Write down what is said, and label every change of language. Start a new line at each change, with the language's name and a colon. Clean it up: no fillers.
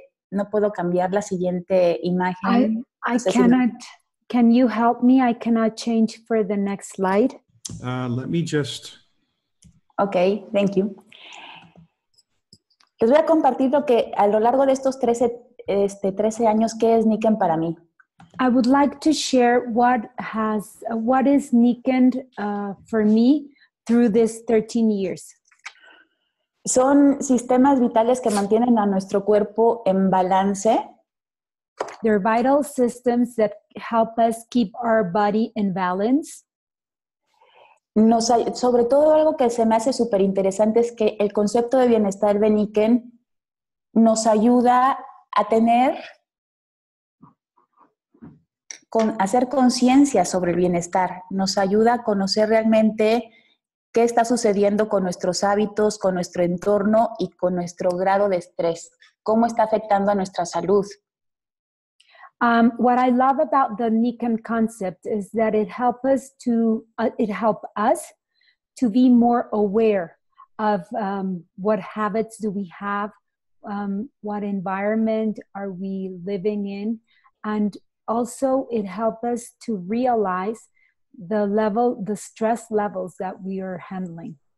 Spanish: No puedo cambiar la siguiente imagen.
English: Can you help me? I cannot change for the next slide. Let me just... Okay, thank you.
Spanish: Les voy a compartir lo que a lo largo de estos 13 años, ¿qué es Niken para mí?
English: I would like to share what is Niken for me through this 13 years.
Spanish: Son sistemas vitales que mantienen a nuestro cuerpo en balance.
English: They're vital systems that help us keep our body in balance.
Spanish: Sobre todo algo que se me hace súper interesante es que el concepto de bienestar de Niken nos ayuda a tener, hacer conciencia sobre el bienestar. Nos ayuda a conocer realmente qué está sucediendo con nuestros hábitos, con nuestro entorno y con nuestro grado de estrés. ¿Cómo está afectando a nuestra salud?
English: What I love about the Niken concept is that it helps us to be more aware of what habits do we have, what environment are we living in, and also it helps us to realize the stress levels that we are handling.